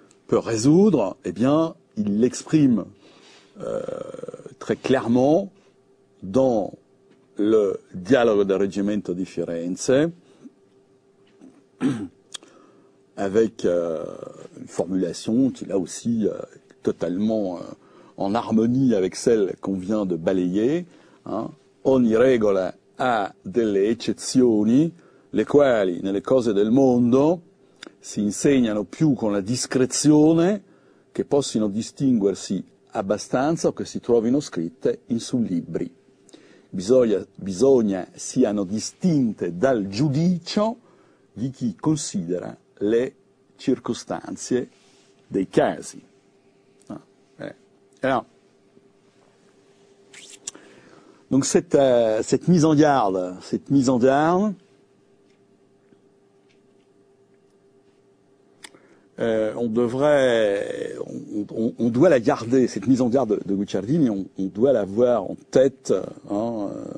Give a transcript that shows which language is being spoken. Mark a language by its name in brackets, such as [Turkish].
[French] résoudre, eh bien, il l'exprime très clairement dans le dialogue de Reggimento di Firenze, avec une formulation qui, là aussi, totalement en harmonie avec celle qu'on vient de balayer. Hein. [Italian] Ogni regola ha delle eccezioni, le quali, nelle cose del mondo, si insegnano più con la discrezione che possono distinguersi abbastanza o che si trovino scritte in su libri. Bisogna siano distinte dal giudizio di chi considera le circostanze dei casi. [French] Alors, donc cette mise en garde, on doit la garder, cette mise en garde de Guicciardini, on doit la voir en tête, hein,